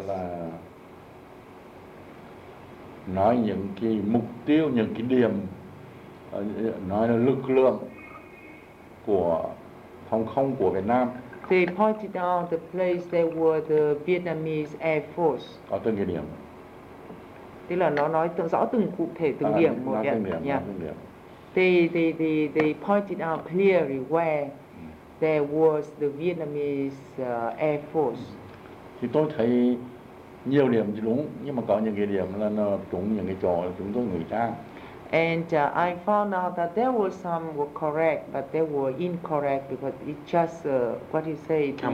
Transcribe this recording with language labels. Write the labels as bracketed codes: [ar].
[vi] là nói những cái mục tiêu, những cái điểm, nói là lực lượng của phòng không của Việt Nam. [en] They pointed out the place that were the Vietnamese Air Force. [vi] Ở từng địa điểm. Tức là nó nói rõ từng cụ thể từng điểm một nhé. [en] They pointed out clearly where there was the Vietnamese Air Force. [vi] Thì tôi thấy nhiều điểm thì đúng, nhưng mà có những cái điểm là nó trúng những cái chỗ chúng tôi ngụy trang. [en] And I found out that there were some were correct, but they were incorrect because it just what you say